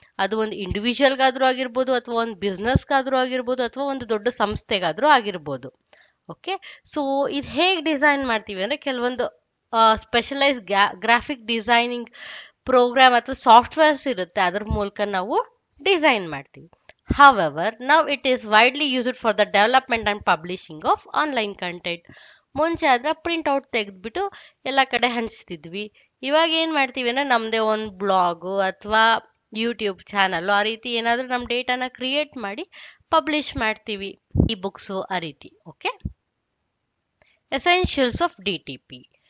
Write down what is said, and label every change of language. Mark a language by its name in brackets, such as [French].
[Kannada] ಅದು ಒಂದು ಇಂಡಿವಿಜುವಲ್ಗಾದರೂ ಆಗಿರ್ಬೋದು, ಅಥವಾ ಒಂದು ಬಿಸ್ನೆಸ್ಗಾದರೂ ಆಗಿರ್ಬೋದು, ಅಥವಾ ಒಂದು ದೊಡ್ಡ ಸಂಸ್ಥೆಗಾದರೂ ಆಗಿರ್ಬೋದು. ಓಕೆ, ಸೊ ಇದು ಹೇಗೆ ಡಿಸೈನ್ ಮಾಡ್ತೀವಿ ಅಂದರೆ, ಕೆಲವೊಂದು ಸ್ಪೆಷಲೈಸ್ ಗ್ರಾಫಿಕ್ ಡಿಸೈನಿಂಗ್ ಪ್ರೋಗ್ರಾಮ್ ಅಥವಾ ಸಾಫ್ಟ್ವೇರ್ಸ್ ಇರುತ್ತೆ, ಅದ್ರ ಮೂಲಕ ನಾವು ಡಿಸೈನ್ ಮಾಡ್ತೀವಿ. [English] However, now it is widely used for the development and publishing of online content. [Kannada] ಮುಂಚೆ ಆದರೆ ಪ್ರಿಂಟ್ ಔಟ್ ತೆಗೆದುಬಿಟ್ಟು ಎಲ್ಲ ಕಡೆ ಹಂಚ್ತಿದ್ವಿ. ಇವಾಗ ಏನು ಮಾಡ್ತೀವಿ ಅಂದರೆ, ನಮ್ಮದೇ ಒಂದು ಬ್ಲಾಗು ಅಥವಾ ಯೂಟ್ಯೂಬ್ ಚಾನಲ್ಲು, ಆ ರೀತಿ ಏನಾದರೂ ನಮ್ಮ ಡೇಟಾನ ಕ್ರಿಯೇಟ್ ಮಾಡಿ ಪಬ್ಲಿಷ್ ಮಾಡ್ತೀವಿ, ಈ ಬುಕ್ಸು ಆ ರೀತಿ. [English] Okay, essentials of D T P.